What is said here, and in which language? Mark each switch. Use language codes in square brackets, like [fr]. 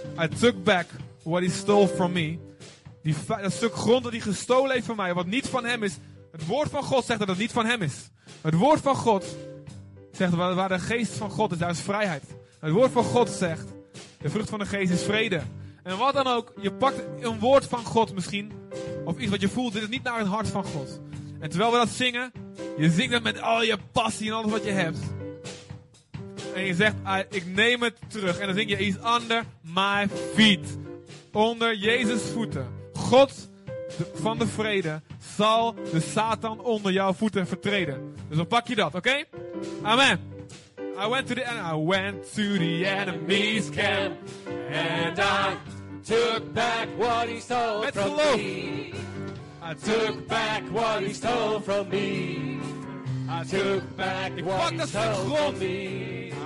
[en] I took back what he stole from me. [nl] Dat stuk grond dat hij gestolen heeft van mij, wat niet van hem is. Het woord van God zegt dat het niet van hem is. Het woord van God zegt waar de geest van God is, daar is vrijheid. Het woord van God zegt, de vrucht van de geest is vrede. En wat dan ook, je pakt een woord van God misschien, of iets wat je voelt, dit is niet naar het hart van God. En terwijl we dat zingen, je zingt dat met al je passie en alles wat je hebt. En je zegt, ik neem het terug. En dan zing je, [en] he's under my feet. [nl] Onder Jezus' voeten. God van de vrede zal de Satan onder jouw voeten vertreden. Dus dan pak je dat, oké? Okay? Amen. [en] I went to the enemy's camp. And I took back what he stole from me. I took back what he stole from me. I took back what he stole from me.